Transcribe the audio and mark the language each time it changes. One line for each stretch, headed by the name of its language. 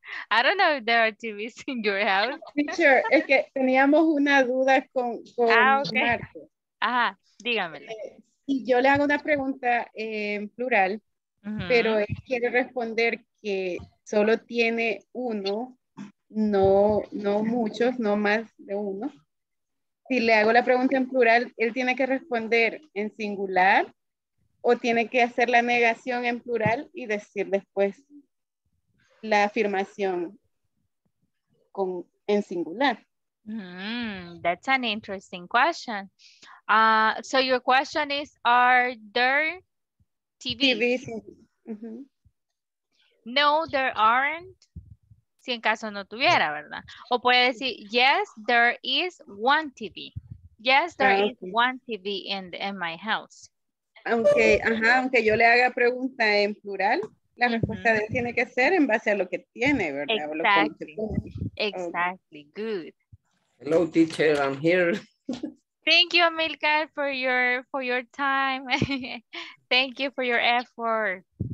English: I don't know if there are TVs in your house.
Spanish: Teacher, es que teníamos una duda con okay. Marco. Ajá, dígamelo. Y yo le hago una pregunta en plural, uh-huh. Pero él quiere responder que solo tiene uno, no muchos, no más de uno. Si le hago la pregunta en plural, él tiene que responder en singular o tiene que hacer la negación en plural y decir después la afirmación en singular.
English: That's an interesting question. So your question is, are there TVs? Mm-hmm. No, there aren't.
Spanish: Si en caso no tuviera, ¿verdad? O puede decir,
English: yes, there is one TV. Yes, there is one TV in my house.
Spanish: Aunque yo le haga pregunta en plural, la respuesta de él tiene que ser en base a lo que tiene, ¿verdad?
English: Exactly. Okay. Good. Hello, teacher, I'm here. Thank you, Amilcar, for your time. Thank you for your effort.